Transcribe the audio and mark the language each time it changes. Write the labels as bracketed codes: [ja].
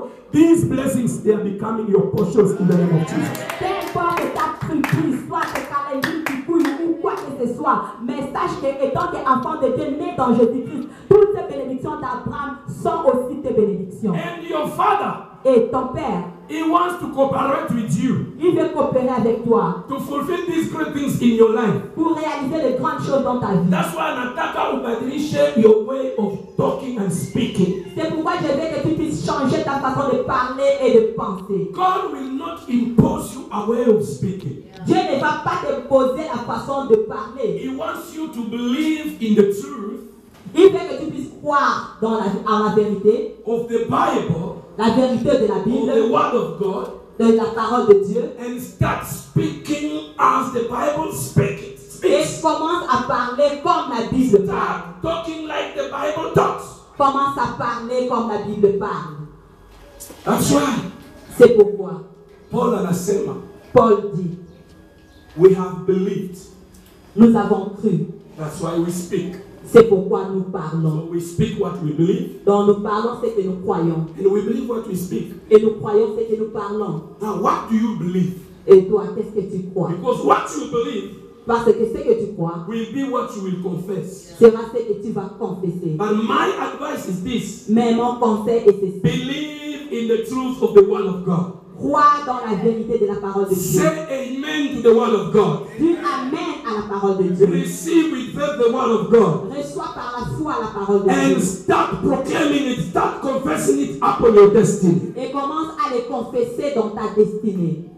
[en] These blessings, they are becoming your portions in the name of Jesus. [fr] Message étant des enfants de Dieu nés dans Jésus Christ, toutes les bénédictions d'Abraham sont aussi tes bénédictions. [en] And your father, [fr] et ton père, [en] he wants to cooperate with you, [fr] il veut coopérer avec toi, [en] to fulfill these great things in your life, [fr] pour réaliser les grandes choses dans ta vie. [en] That's why [sw] nataka ubadilishe [en] your way of talking and speaking. [fr] C'est pourquoi je veux que tu puisses changer ta façon de parler et de penser. [en] God will not impose you a way of speaking. [fr] Dieu ne va pas t'imposer la façon de parler. [en] He wants you to believe in the truth. [fr] Il veut que tu puisses croire dans la vérité. [en] Of the Bible. [fr] La vérité de la Bible. [en] Of the word of God. [fr] De la parole de Dieu. [en] And start speaking as the Bible speaks. [fr] Et commence à parler comme la Bible. [en] Start talking like the Bible talks. [fr] Commence à parler comme la Bible parle. [en] That's why. [fr] C'est pourquoi. [sw] Paul a la sema. [fr] Paul dit. [en] We have believed. [fr] Nous avons cru. [en] That's why we speak. [fr] C'est pourquoi nous parlons. [en] So we speak what we believe. [fr] Donc nous parlons ce que nous croyons. [en] And we believe what we speak. [fr] Et nous croyons ce que nous parlons. [en] Now what do you believe? [fr] Et toi, qu'est-ce que tu crois? [en] Because what you believe, [fr] parce que ce que tu crois, [en] will be what you will confess. [fr] Sera ce que tu vas confesser. [en] But my advice is this. [fr] Mais mon conseil est ceci. [en] Believe in the truth of the word of God. [fr] Crois dans la vérité de la parole de Dieu. [en] Say amen to the word of God. [fr] Dis amen à la parole de Dieu. [en] Receive with faith the word of God. [fr] Reçois par la foi la parole de [en] Dieu. And start proclaiming it, start confessing it upon your destiny. [fr] Et commence à les confesser dans ta destinée.